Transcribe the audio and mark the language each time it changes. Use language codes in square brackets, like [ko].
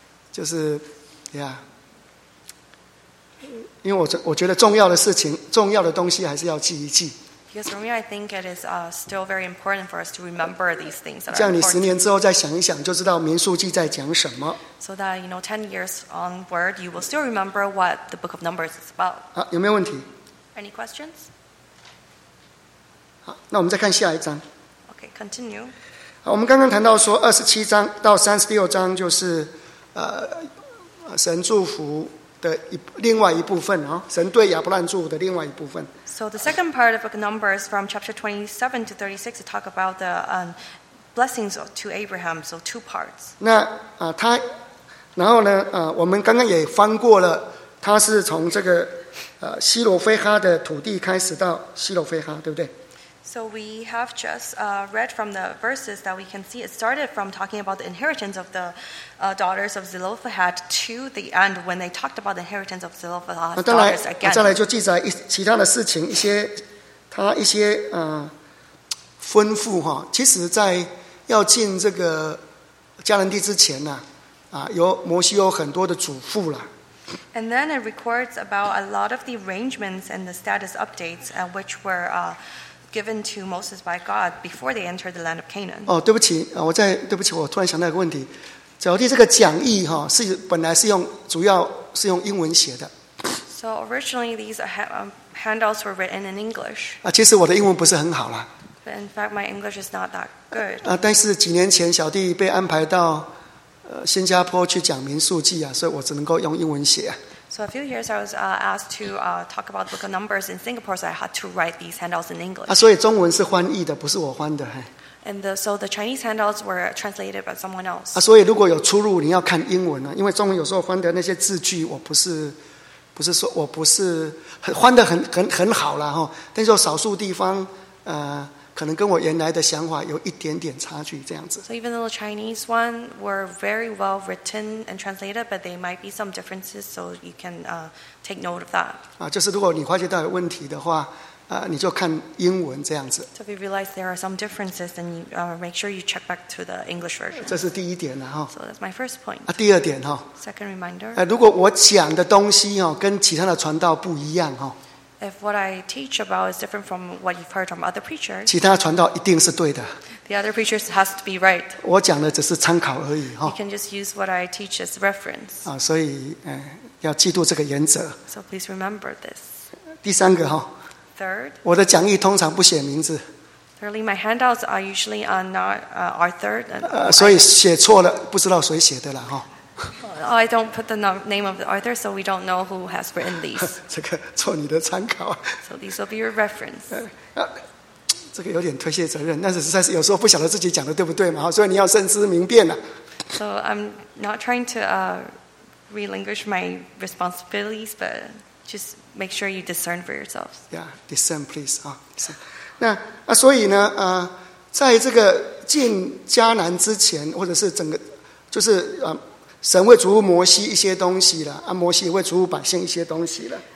[zh] 就是 ，Yeah. 因为我觉得重要的事情、重要的东西还是要记一记。 [en] Because for me, I think it is still very important for us to remember these things. [zh] 这样你十年之后再想一想，就知道《民数记》在讲什么。 [en] So that you know, 10 years onward, you will still remember what the Book of Numbers is about. [zh] 有没有问题 [en] ？Any questions? [zh] 好，那我们再看下一章。 [en] Okay, continue. [zh] 好，我们刚刚谈到说二十七章到三十六章就是神祝福的另外一部分哦，神对亚伯兰祝福的另外一部分。 [en] So the second part of the Numbers from chapter 27 to 36 to talk about the blessings to Abraham. So two parts. [zh] 那他，然后呢我们刚刚也翻过了，他是从这个西罗非哈的土地开始到西罗非哈，对不对？ [en] So we have just read from the verses that we can see it started from talking about the inheritance of the daughters of Zelophehad to the end when they talked about the inheritance of Zelophehad's daughters again. [zh] 再来就记载其他的事情，一些他一些吩咐哈。其实，在要进这个迦南地之前呢，有摩西有很多的嘱咐了。 [en] And then it records about a lot of the arrangements and the status updates, which were. Given to Moses by God before they entered the land of Canaan. [zh] 对不起，我突然想到一个问题。小弟，这个讲义哈是本来是用主要是用英文写的。 [en] So originally these handouts were written in English. [zh] 其实我的英文不是很好啦。 [en] But in fact, my English is not that good. [zh] 但是几年前小弟被安排到新加坡去讲民数记所以我只能够用英文写。 [en] So a few years I was asked to talk about Book of Numbers in Singapore, so I had to write these handouts in English. [zh] 所以中文是翻译的，不是我翻的。 [en] And so the Chinese handouts were translated by someone else. [zh] 所以如果有出入，你要看英文因为中文有时候翻的那些字句，我不是说我不是翻的很好了但是有少数地方可能跟我原来的想法有一点点差距，这样子。 [en] So even though the Chinese one were very well written and translated, but there might be some differences, so you can take note of that. [zh] 就是如果你发觉到有问题的话，你就看英文这样子。 [en] So if you realize there are some differences, then you, make sure you check back to the English version. [zh] 这是第一点啊。 [en] So that's my first point. [zh] 啊，第二点啊。 [en] Second reminder. [zh] 如果我讲的东西啊，跟其他的传道不一样啊。 [en] If what I teach about is different from what you've heard from other preachers, [zh] 其他传道一定是对的。 [en] The other preachers has to be right. [zh] 我讲的只是参考而已。 [en] You can just use what I teach as reference. [zh] 啊，所以，要记住这个原则。 [en] So please remember this. [zh] 第三个哈。 [en] Third. [zh] 我的讲义通常不写名字。 [en] Thirdly, my handouts are usually not author. [zh] 所以写错了，不知道谁写的了哈。 [en] I don't put the name of the author, so we don't know who has written these. [zh] 这个做你的参考。 [en] So these will be your reference. [zh] 这个有点推卸责任，但是实在是有时候不晓得自己讲的对不对嘛，所以你要慎思明辨了。 [en] So I'm not trying to relinquish my responsibilities, but just make sure you discern for yourselves. Yeah, discern, please. 啊，discern. [zh] 那所以呢，在这个进迦南之前，或者是整个就是神会嘱咐摩西一些东西了，摩西也会嘱咐百姓一些东西了。